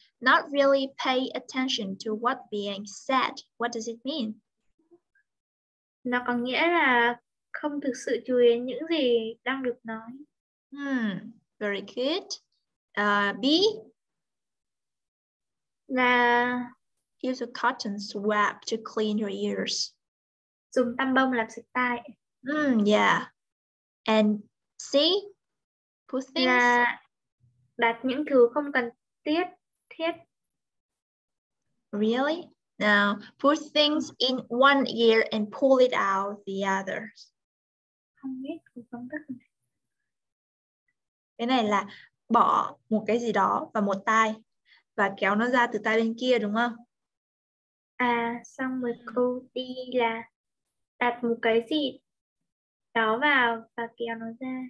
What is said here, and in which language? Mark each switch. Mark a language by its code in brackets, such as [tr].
[en] Not really pay attention to what being said. What does it mean? [vi] Nó có nghĩa là không thực sự chú ý những gì đang được nói. [en] Very good. B. [vi] Là [en] use a cotton swab to clean your ears. [vi] Dùng tăm bông làm sạch tai. [en] Yeah. And C. Put things. [vi] Là đặt những thứ không cần thiết. [en] Really? Now, put things in one ear and pull it out the other. [vi] Không biết, không biết. Cái này là bỏ một cái gì đó vào một tai và kéo nó ra từ tai bên kia đúng không? À, xong rồi câu D là đặt một cái gì đó vào và kéo nó ra.